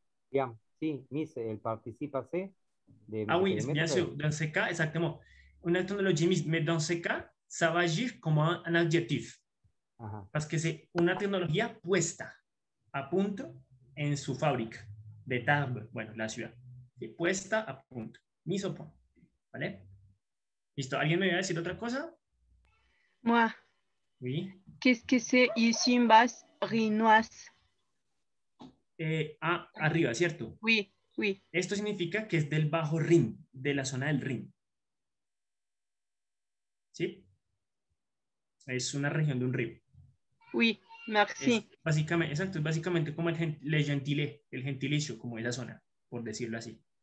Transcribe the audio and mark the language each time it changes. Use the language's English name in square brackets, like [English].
[French] Bien, si, Miss, elle participe à ce. Ah oui, bien sûr, dans ce cas, exactement. Une technologie Miss, mais dans ce cas, ça va agir comme un adjectif. Ajá. Parce que c'est une technologie [Spanish] puesta à point en su fábrica. De Tarbes, bueno, la ciudad. De puesta a punto. [French] Mise au point. [Spanish] ¿Vale? ¿Listo? ¿Alguien me va a decir otra cosa? [French] Moi. Oui. Qu'est-ce que c'est ici en bas, Rinoise? [Spanish] Arriba, ¿cierto? [French] Oui, oui. [Spanish] Esto significa que es del bajo Rin, de la zona del Rin. ¿Sí? Es una región de un río. [French] Oui. Merci. [Spanish] Es básicamente como el gentilicio, como esa zona, por decirlo así.